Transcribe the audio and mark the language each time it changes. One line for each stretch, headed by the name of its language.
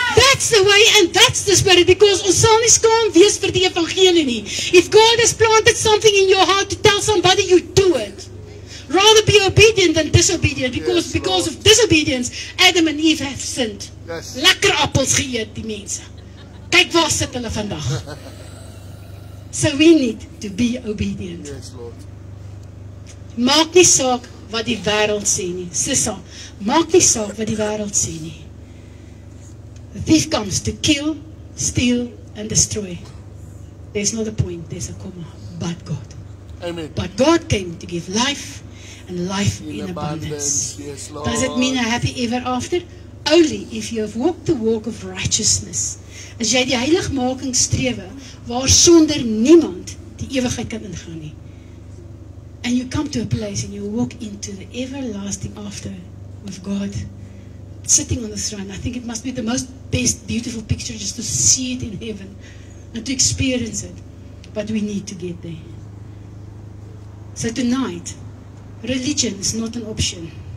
English: That's the way, and that's the spirit, because
Afrikaans: ons sal nie skaam wees vir die evangelie nie.
English: If God has planted something in your heart to tell somebody, you do it. Rather be obedient than disobedient, because of disobedience, Adam and Eve have sinned. Yes.
Afrikaans: Lekker appels geëet die mense. Kyk waar sit hulle vandag.
English: So we need to be obedient. Yes, Lord.
Afrikaans: Maak nie saak wat die wêreld sê nie. Sissa, maak nie saak wat die wêreld sê nie.
English: The thief comes to kill, steal, and destroy. There's not a point, there's a comma. But God. Amen. But God came to give life, and life in abundance. Yes, Lord. Does it mean a happy ever after? Only if you have walked the walk of righteousness.
Afrikaans: As jy die heiligmaking strewe, waar sonder niemand die ewigheid kan ingaan nie.
English: And you come to a place and you walk into the everlasting after with God sitting on the throne. I think it must be the most best, beautiful picture just to see it in heaven and to experience it. But we need to get there. So tonight, religion is not an option.